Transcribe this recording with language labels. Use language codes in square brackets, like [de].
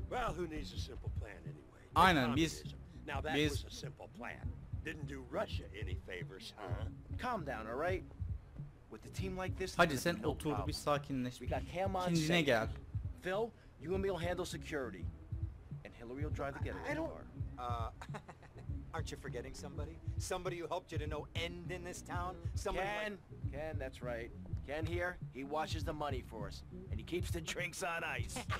[en] Well, who needs a simple plan anyway? [tr] Aynen, biz. [en] Now that was a simple plan. Didn't do Russia any favors, huh? Calm down, all right? With a team like this, [tr] hadi sen otur, bir sakinleş. Kendine gel. [en] Phil, you and me will handle security, and Hillary will drive the getaway car. Aren't you forgetting somebody? Somebody who helped you to no end in this town? Somebody Ken. Like... Ken, that's right. Ken here, he washes the money for us, and he keeps the drinks on ice.